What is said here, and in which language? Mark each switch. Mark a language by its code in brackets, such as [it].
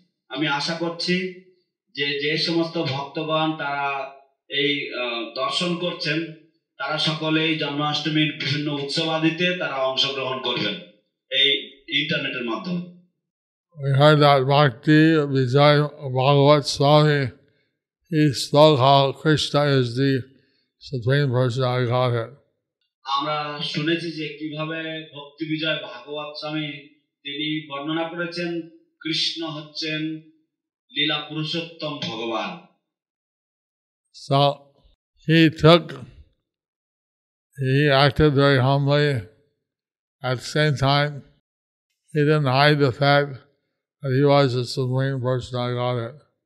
[bn] আমি আশা করছি যে সমস্ত ভক্তগণ তারা এই দর্শন করছেন তারা সকলেই জন্মাষ্টমীর বিভিন্ন উৎসবাদিতে তারা অংশগ্রহণ করবেন এই ইন্টারনেটের মাধ্যমে. [en] We heard that Bhakti Vijaya Bhagavat Swami, he spoke how Krishna is the Supreme Personality of Godhead. [bn] আমরা শুনেছি যে কিভাবে ভক্তি বিজয় ভাগবত স্বামী তিনি বর্ণনা করেছেন কৃষ্ণ হচ্ছেন লীলা পুরুষোত্তম ভগবান. [en] So he took, he acted very humbly. At the same time, he didn't hide the fact that he was the Supreme Personality of Godhead.